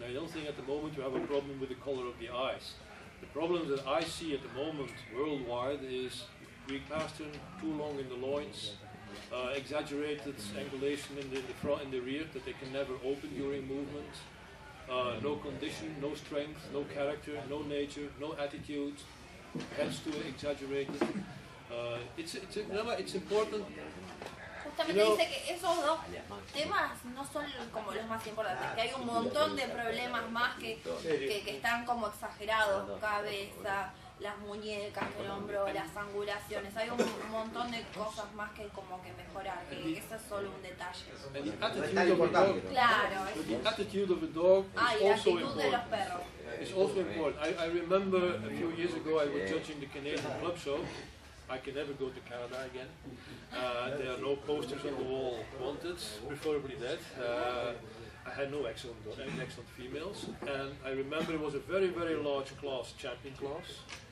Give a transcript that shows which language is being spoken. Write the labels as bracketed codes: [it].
[en] I don't think at the moment we have a problem with the color of the eyes. The problem that I see at the moment worldwide is Greek pastern too long in the loins, exaggerated angulation in the front and the rear that they can never open during movement, no condition, no strength, no character, no nature, no attitude, heads too exaggerated. It's important. [es] Justamente no. Dice que esos dos temas no son como los más importantes, que hay un montón de problemas más que están como exagerados, cabeza, las muñecas, el hombro, las angulaciones, hay un montón de cosas más que como que mejorar, que eso es solo un detalle. Claro. [en] The attitude of a dog is also important. [es] La actitud de los perros. [en] It's also important. I remember a few years ago I was judging the Canadian club show. I can never go to Canada again. There are no posters on the wall wanted, preferably dead. I had no excellent females, and I remember it was a very, very large class, champion class.